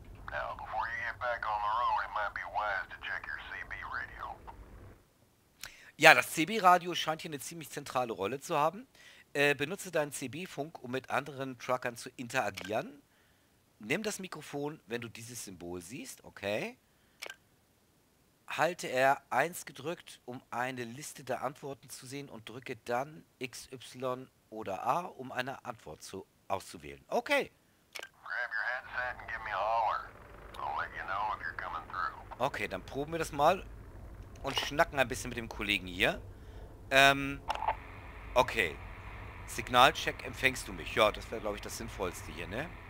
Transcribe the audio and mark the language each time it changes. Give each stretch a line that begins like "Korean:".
English: Now, before you get back on the road, it might be wise to check your CB radio.
German: Ja, das CB-Radio scheint hier eine ziemlich zentrale Rolle zu haben. Benutze deinen CB-Funk, um mit anderen Truckern zu interagieren. Nimm das Mikrofon, wenn du dieses Symbol siehst. Okay. Halte R1 gedrückt, um eine Liste der Antworten zu sehen und drücke dann XY oder A, um eine Antwort auszuwählen. Okay.
English: Grab your headset and give me a holler. I'll let you know if you're coming through.
German: Okay, dann proben wir das mal und schnacken ein bisschen mit dem Kollegen hier. Okay. Signalcheck, empfängst du mich? Ja, das wäre, glaube ich, das Sinnvollste hier, ne?